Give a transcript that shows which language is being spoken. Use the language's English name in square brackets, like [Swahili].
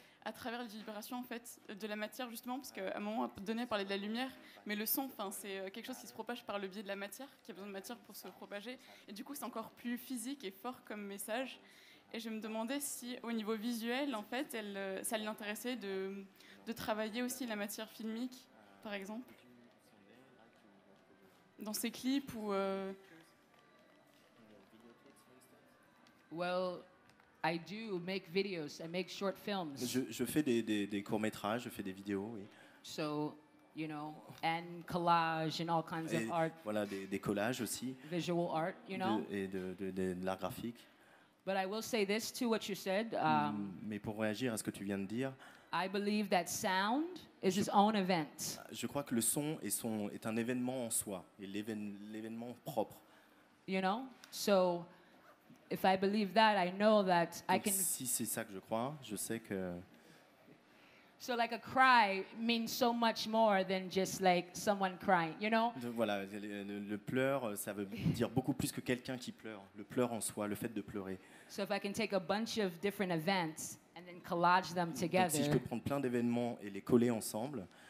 [French] à travers les vibrations en fait de la matière justement parce qu'à un moment donné parler de la lumière mais le son enfin c'est quelque chose qui se propage par le biais de la matière qui a besoin de matière pour se propager et du coup c'est encore plus physique et fort comme message et je me demandais si au niveau visuel en fait ça l'intéressait de travailler aussi la matière filmique par exemple dans ses clips ou [English] well I do make videos. I make short films. [French] Je fais des courts-métrages, je fais des vidéos, oui. [English] So, you know, and collage and all kinds [French] et [English] of art. [French] Voilà, des collages aussi. [English] Visual art, you know. [French] De l'art graphique. [English] But I will say this to what you said. [French] Mais pour réagir à ce que tu viens de dire. [English] I believe that sound is its own event. [French] Je crois que le son est un événement en soi, et l'événement propre. [English] You know, so. If I believe that, I know that [French] donc [English] I can. [French] Si c'est ça que je crois, je sais que. [English] So like a cry means so much more than just like someone crying, you know. [French] Donc voilà, le pleur, ça veut dire beaucoup plus que quelqu'un qui pleure. Le pleur en soi, le fait de pleurer. [English] So if I can take a bunch of different events and then collage them together. [French] Donc si je peux prendre plein d'événements et les coller ensemble.